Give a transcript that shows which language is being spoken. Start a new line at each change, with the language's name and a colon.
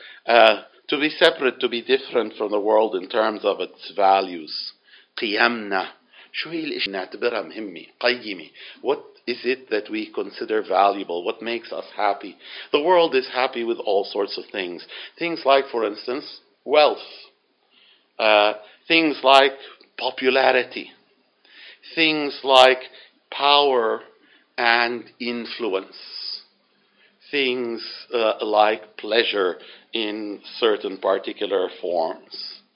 English: To be separate, to be different from the world in terms of its values.
Arabic: قيمنا شو هي الإشي نعتبرها مهمة قيمي.
English: What is it that we consider valuable? What makes us happy? The world is happy with all sorts of things. Things like, for instance, wealth, things like popularity, things like power and influence, things like pleasure in certain particular forms.